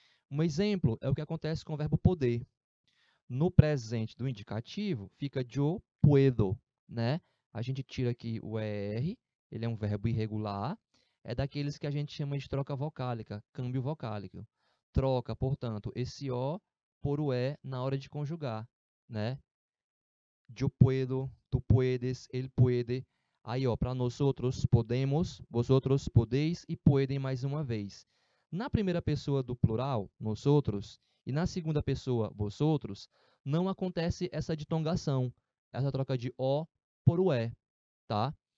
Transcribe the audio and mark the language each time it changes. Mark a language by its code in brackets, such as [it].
[pt] Um exemplo é o que acontece com o verbo poder. No presente do indicativo fica [es] yo puedo, [pt] né? A gente tira aqui o er, ele é um verbo irregular, é daqueles que a gente chama de troca vocálica, câmbio vocálico. Troca, portanto, esse o por o é na hora de conjugar, né? [es] Yo puedo, tu puedes, él puede. [pt] Aí, ó, para nós outros podemos, [es] vosotros podeis e pueden [pt] mais uma vez. Na primeira pessoa do plural, nós outros, e na segunda pessoa, vosotros, não acontece essa ditongação, essa troca de o por o é, tá?